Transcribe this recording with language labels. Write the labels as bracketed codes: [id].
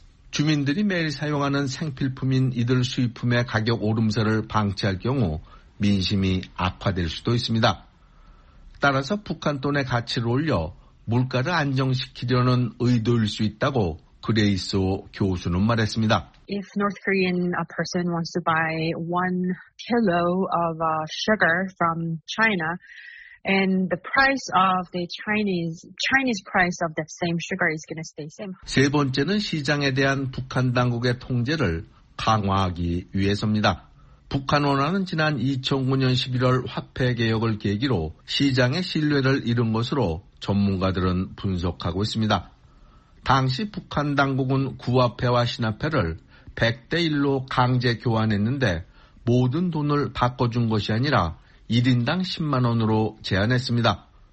[ko] 주민들이 매일 사용하는 생필품인 이들 수입품의 가격 오름세를 방치할 경우 민심이 악화될 수도 있습니다. 따라서 북한 돈의 가치를 올려 물가를 안정시키려는 의도일 수 있다고 그레이스 교수는 말했습니다. [en] If North Korean person wants to buy 1 kilo of sugar from China, and the price of the Chinese price of that same sugar is going to stay same. [ko] 세 번째는 시장에 대한 북한 당국의 통제를 강화하기 위해서입니다. 북한 원화는 지난 2009년 11월 화폐 개혁을 계기로 시장의 신뢰를 잃은 것으로 전문가들은 분석하고 있습니다. 당시 북한 당국은 구화폐와 신화폐를 100대 1로 강제 교환했는데 모든 돈을 바꿔준 것이 아니라 1인당 10만 원으로 제한했습니다.